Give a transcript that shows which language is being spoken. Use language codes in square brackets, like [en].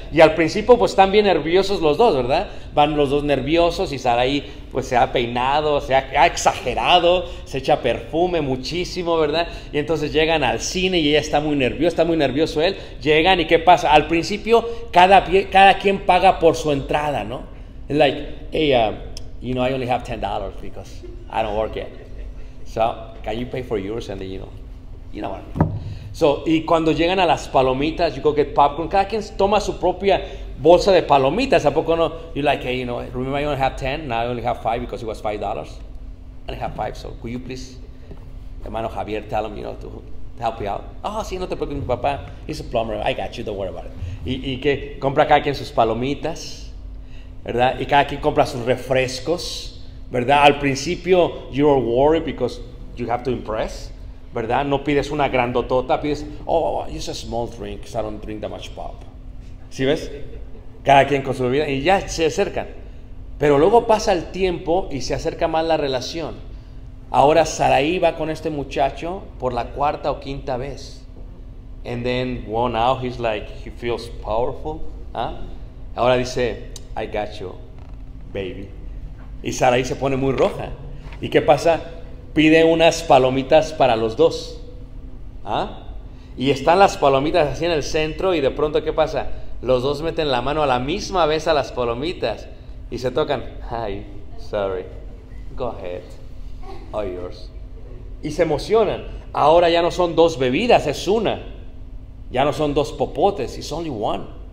[es] Y al principio pues están bien nerviosos los dos, ¿verdad? Van los dos nerviosos y Sarai pues se ha peinado, se ha exagerado, se echa perfume muchísimo, ¿verdad? Y entonces llegan al cine y ella está muy nervioso él. Llegan y ¿qué pasa? Al principio cada quien paga por su entrada, ¿no? [en] It's like, hey, you know, I only have $10 because I don't work yet. So, can you pay for yours? And then, you know what I mean. [es] So, y cuando llegan a las palomitas, [en] you go get popcorn, [es] cada quien toma su propia bolsa de palomitas, ¿a poco no? [en] You're like, hey, you know, remember I only have 10, now I only have 5 because it was $5. I only have 5, so could you please, hermano Javier, tell him, you know, to help you out. Oh, [es] sí, no te preocupes, mi papá, [en] he's a plumber, I got you, don't worry about it. [es] Y que compra cada quien sus palomitas, ¿verdad? Y cada quien compra sus refrescos, ¿verdad? Al principio, [en] you're worried because you have to impress, [es] ¿verdad? No pides una grandotota, pides, [en] oh, just a small drink, I don't drink that much pop. [es] ¿Sí ves? Cada quien con su bebida y ya se acercan. Pero luego pasa el tiempo y se acerca más la relación. Ahora Sarai va con este muchacho por la cuarta o quinta vez. [en] And then, well, now he's like, he feels powerful. [es] ¿Ah? Ahora dice, [en] I got you, baby. [es] Y Sarai se pone muy roja. ¿Y qué pasa? Pide unas palomitas para los dos. ¿Ah? Y están las palomitas así en el centro y de pronto, ¿qué pasa? Los dos meten la mano a la misma vez a las palomitas y se tocan. [en] Hi, sorry. Go ahead. All yours. [es] Y se emocionan. Ahora ya no son dos bebidas, es una. Ya no son dos popotes, [en] it's only one.